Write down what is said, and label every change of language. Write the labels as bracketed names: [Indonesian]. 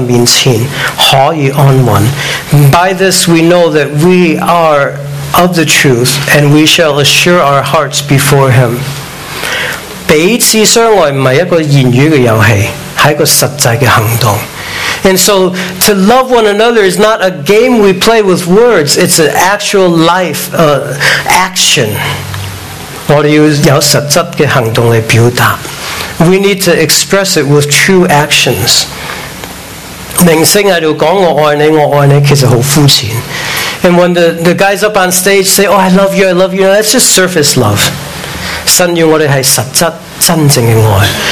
[Chinese] 从此我们知道我们是属真理的,并且我们的心在神面前可以安稳. [English] By this we know that we are of the truth, and we shall assure our hearts before him. [Chinese] 彼此相爱不是一个言语的游戏,是一个实际的行动. [English] And so to love one another is not a game we play with words, it's an actual life action. We need to express it with true actions. [Chinese] 明星在說我愛你,我愛你,其實很膚淺. [English] And when the guys up on stage say, oh, I love you, that's just surface love. [Chinese] 神要我們是實質真正的愛.